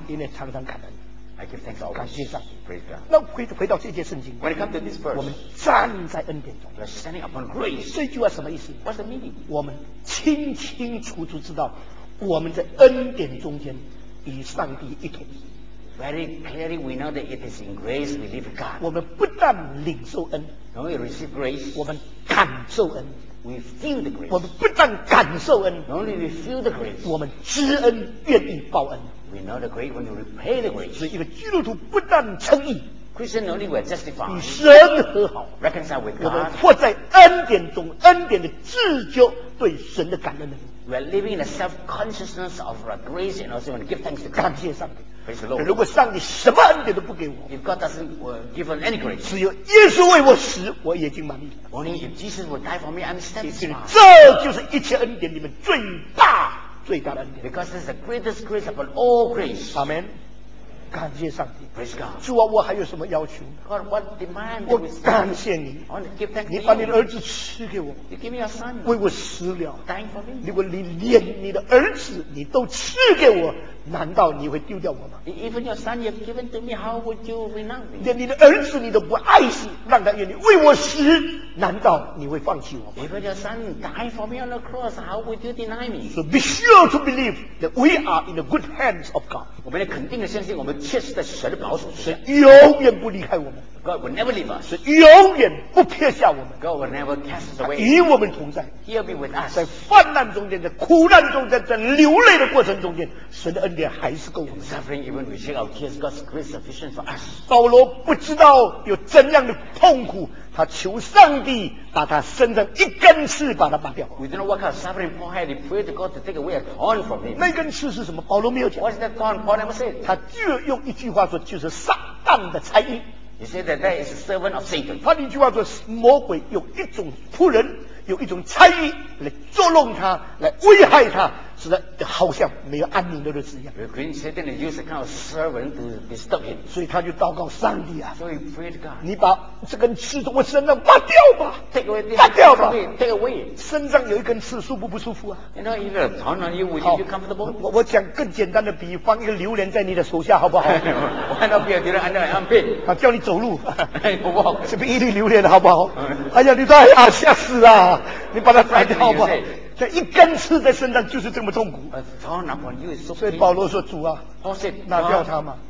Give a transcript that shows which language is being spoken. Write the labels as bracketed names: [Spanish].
[Chinese] 因为常常感恩。 [English] I give thanks always. [Chinese] 感谢上帝。 [English] Praise God. [Chinese] 那回到这节圣经。 [English] When it comes to this verse. [Chinese] 我们站在恩典中。 [English] We're standing upon grace. [Chinese] 这句话什么意思？ [English] What's the meaning? [Chinese] 我们清清楚楚知道，我们在恩典中间与上帝一同。 [English] Very clearly, we know that it is in grace we live God. [Chinese] 我们不但领受恩， [English] no, we receive grace. [Chinese] 我们感受恩， [English] we feel the grace. [Chinese] 我们不但感受恩， [English] no, only we feel the grace. [Chinese] 我们知恩，愿意报恩。 [English] We know the grace when we repay the grace. [Chinese] 所以一个基督徒不但称义， [English] Christian only we are justified. [Chinese] 与神和好， [English] reconcile with God. [Chinese] 我们活在恩典中，恩典的自救，对神的感恩的。 [English] We are living in a self-consciousness of our grace and also give thanks to God. [Chinese] 感谢上帝。 [English] Praise the Lord. [Chinese] 如果上帝什么恩典都不给我， [English] if God doesn't give us any grace, [Chinese] 只有耶稣为我死，我已经满意了。 [English] Only if Jesus will die for me, I'm satisfied. [Chinese] 这就是一切恩典里面最大最大的恩典。 [English] Because it's the greatest grace of all grace. [Chinese] Amen. 感谢上帝。 [English] Praise God. [Chinese] 主啊，我还有什么要求？ [English] God, what demand? [Chinese] 我感谢你。 [English] I want to give thanks. [Chinese] 你把你的儿子赐给我。 [English] You give me your son. [Chinese] 为我死了。 [English] Dying for me. [Chinese] 如果你连你的儿子你都赐给我。难道你会丢掉我吗？ [English] Even your son you have given to me, how would you renounce me? [Chinese] 连你的儿子你都不爱惜，让他愿意为我死，难道你会放弃我吗？ [English] Even your son died for me on the cross, how would you deny me? So be sure to believe that we are in the good hands of God. [Chinese] 我们要肯定的相信，我们确实在神的保守之下，神永远不离开我们。 [English] God will never leave us. [Chinese] 是永远不撇下我们。 [English] God will never cast us away. [Chinese] 与我们同在。 [English] He'll be with us. [Chinese] 在患难中间，在苦难中间，在流泪的过程中间，神的恩典还是够我们。 [English] Suffering even we shed our tears, God's grace sufficient for us. [Chinese] 保罗不知道有怎样的痛苦，他求上帝把他身上一根刺把他拔掉。 [English] We don't know what kind of suffering Paul had. He prayed to God to take away a thorn from him. [Chinese] 那根刺是什么？保罗没有讲。 [English] What's that thorn? Paul never said. [Chinese] 他就用一句话说，就是撒旦的差役。 [English] He said that there is a servant of Satan. [Chinese] 他一句话说，魔鬼有一种仆人，有一种差役来捉弄他，来危害他，使他好像没有安宁的日子一样。 [English] The Queen said that he used a kind of servant to disturb him. [Chinese] 所以他就祷告上帝啊。 [English] So he prayed God. [Chinese] 你把这根刺从我身上拔掉吧。 [English] Take away this. [Chinese] 拔掉吧。 [English] Take away. [Chinese] 身上有一根刺，舒服不舒服啊？ [English] You know, if it's torn on you, would you be comfortable? [Chinese] 我讲更简单的比喻，放一个榴莲在你的手下，好不好？我看到别人觉得很难安排。他叫你走路。不好。是不是一粒榴莲，好不好？哎呀，你太啊，吓死啊！你把它拔掉好不好？这一根刺在身上就是这么痛苦。所以保罗说，主啊，拿掉它嘛。